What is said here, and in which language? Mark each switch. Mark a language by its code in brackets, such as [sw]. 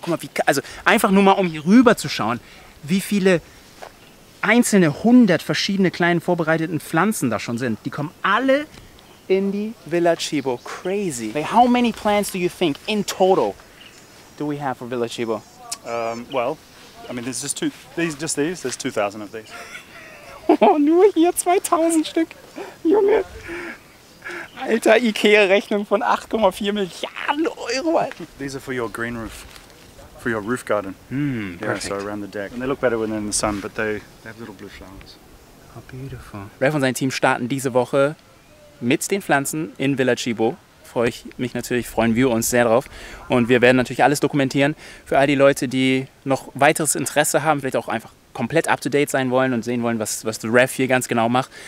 [de] Guck mal, also einfach nur mal, um hier rüber zu schauen, wie viele einzelne 100 verschiedene kleinen vorbereiteten Pflanzen da schon sind. Die kommen alle in die Villa Chibo. Crazy. [en] Like, how many plants do you think in total do we have for Villa Chibo? Well, I mean, there's just two. These, just these. There's 2,000 of these. [de] Oh, nur hier 2,000 Stück, Junge. Alter, IKEA-Rechnung von 8,4 Milliarden Euro. [en] These are for your green roof, for your roof garden. Hmm, yeah, perfect. So around the deck. And they look better when they're in the sun, but they have little blue flowers. How beautiful. [de] Ralf und sein Team starten diese Woche mit den Pflanzen in Villa Chibo. Freue ich mich natürlich, freuen wir uns sehr drauf. Und wir werden natürlich alles dokumentieren für all die Leute, die noch weiteres Interesse haben, vielleicht auch einfach komplett up-to-date sein wollen und sehen wollen, was der Ref hier ganz genau macht.